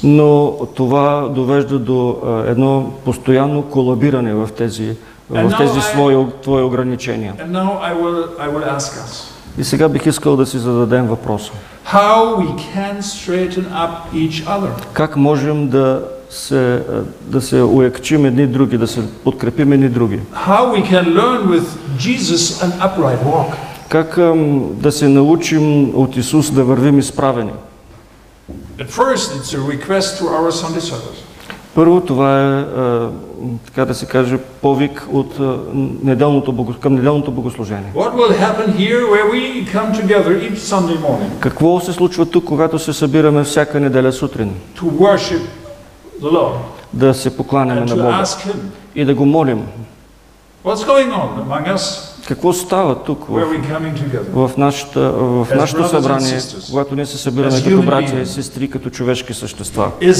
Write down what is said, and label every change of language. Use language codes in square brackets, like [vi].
[bg] Но това довежда до едно постоянно колабиране в тези свои ограничения. [en] And now I will ask us. [bg] И сега бих искал да си зададем въпроса. [en] How we can straighten up each other? [bg] Как можем да се уякчим едни други, да се подкрепим едни други? [en] How we can learn with Jesus an upright walk? [bg] Как да се научим от Исус да вървим изправени? [en] At first it's a request to our Sunday service. [bg] Първо, това е, така да се каже, повик от към неделното богослужение. [en] What will happen here where we come together each Sunday morning? [bg] Какво се случва тук, когато се събираме всяка неделя сутрин? [en] To worship the Lord. [bg] Да се покланяме на Бога. [en] Ask him. [bg] И да го молим. [en] What's going on among us? [bg] Какво става тук в нашето събрание, когато ние се събираме като братя и сестри, като човешки същества?